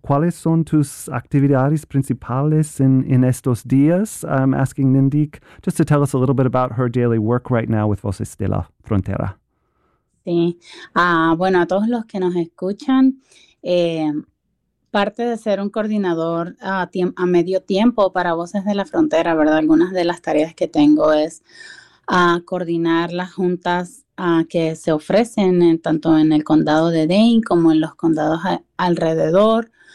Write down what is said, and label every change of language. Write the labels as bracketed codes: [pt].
[es] ¿Cuáles son tus actividades principales en estos días? [en] I'm asking Nindik just to tell us a little bit about her daily work right now with Voces de la Frontera. [es] Sí. Bueno, a todos los que nos escuchan, parte de ser un coordinador a medio tiempo para Voces de la Frontera, ¿verdad? Algunas de las tareas que tengo es coordinar las juntas que se ofrecen tanto en el condado de Dane como en los condados alrededor.